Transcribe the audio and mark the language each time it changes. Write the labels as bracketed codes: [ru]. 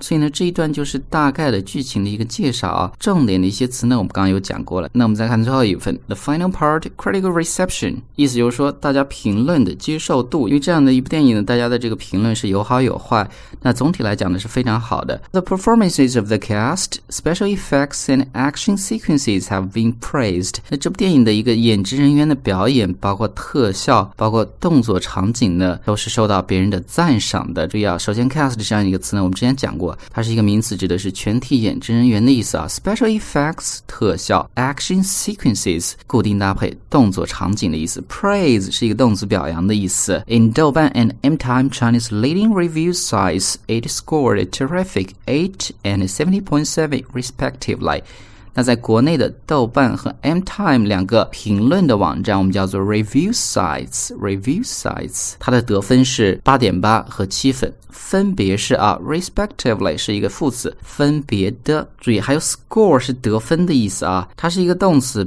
[zh] 所以呢，这一段就是大概的剧情的一个介绍啊。重点的一些词呢，我们刚刚有讲过了。那我们再看最后一份 [en] The final part, critical reception, [zh] 意思就是说大家评论的接受度，因为这样的一部电影呢，大家的这个评论是有好有坏，那总体来讲呢是非常好的。 [en] The performances of the cast, special effects and action sequences have been praised. [zh] 那这部电影的一个演职人员的表演，包括特效，包括动作场景呢，都是受到别人的赞赏的。注意啊，首先 cast 这样一个词呢，我们之前讲过，它是一个名词，指的是全体演职人员的意思啊。 special effects 特效， action sequences 固定搭配动作场景的意思， praise 是一个动词，表扬的意思。 [en] in 豆瓣 and MTime Chinese leading review sites, it scored a terrific 8 and 70.7 respectively。 [zh] 那在国内的豆瓣和 MTime 两个评论的网站，我们叫做 review sites， 它的得分是 8.8 和7分，分别是啊 respectively 是一个副词，分别的，注意还有 score 是得分的意思啊，它是一个动词。